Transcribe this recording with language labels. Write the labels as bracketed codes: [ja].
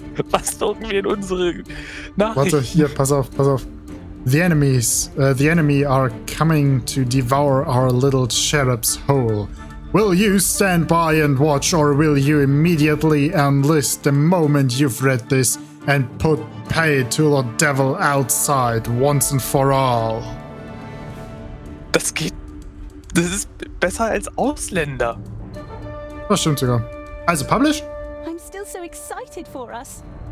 [de] Was drucken wir in unsere Nachrichten? Warte, hier, pass auf. [en] The enemy are coming to devour our little cherub's hole. Will you stand by and watch or will you immediately enlist the moment you've read this and put pay to the devil outside once and for all? [de] Das geht... Das ist besser als Ausländer. Das stimmt sogar. Also, publish? [en] I'm still so excited for us.